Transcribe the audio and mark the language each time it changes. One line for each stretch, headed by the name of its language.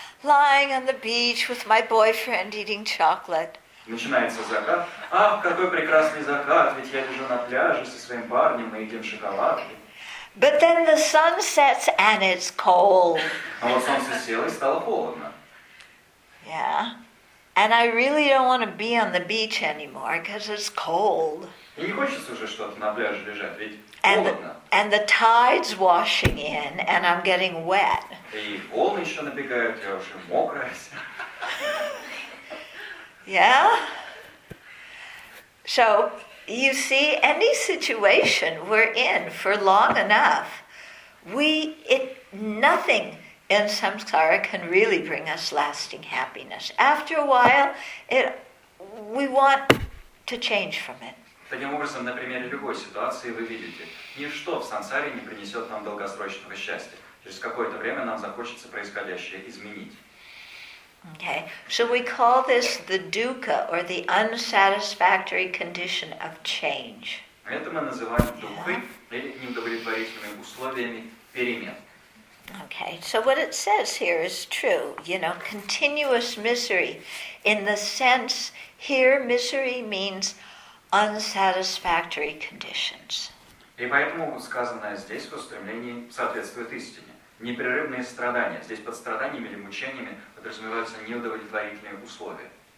English: Lying on the beach with my boyfriend eating chocolate.
Russian: Начинается закат. Ах, какой прекрасный закат, ведь я лежу на пляже со своим парнем, мы едим шоколад.
English: But then the sun sets and it's cold.
Russian: А вот солнце село и стало холодно.
English: Yeah, and I really don't want to be on the beach anymore because it's cold.
Russian: И не хочется уже что-то на пляже лежать, ведь холодно.
English: And the tide's washing in, and I'm getting wet.
Russian: И волны еще набегают, я уже мокрая.
English: Yeah? So, you see, any situation we're in for long enough, nothing in samsara can really bring us lasting happiness. After a while, we want to change from it.
Russian: Таким образом, на примере любой ситуации вы видите, ничто в сансаре не принесет нам долгосрочного счастья. Через какое-то время нам захочется происходящее изменить.
English: Okay. So we call this the dukkha or the unsatisfactory condition of change.
Russian: Это мы называем дукхой или неудовлетворительными условиями перемен.
English: Okay, so what it says here is true, you know, continuous misery. In the sense, here misery means unsatisfactory conditions.
Russian: И поэтому сказанное здесь в устремлении соответствует истине. Непрерывные страдания. Здесь под страданиями или мучениями подразумеваются неудовлетворительные условия.